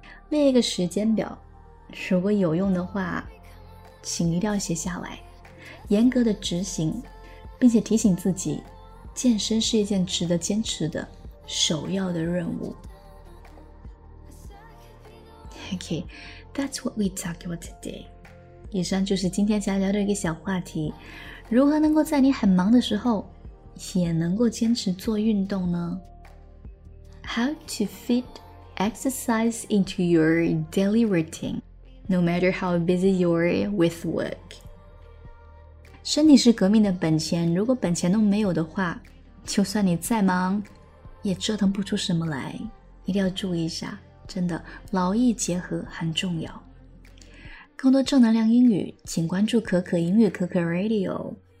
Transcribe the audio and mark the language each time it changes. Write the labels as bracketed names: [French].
[Chinese] 列一个时间表，如果有用的话，请一定要写下来，严格的执行，并且提醒自己，健身是一件值得坚持的首要的任务。 [English] Okay, that's what we talk about today. [Chinese] 以上就是今天想聊的一个小话题，如何能够在你很忙的时候也能够坚持做运动呢？ [English] How to fit exercise into your daily routine, no matter how busy you are with work. [Chinese] 身体是革命的本钱，如果本钱都没有的话，就算你再忙，也折腾不出什么来。一定要注意一下，真的，劳逸结合很重要。更多正能量英语，请关注可可英语可可 Radio。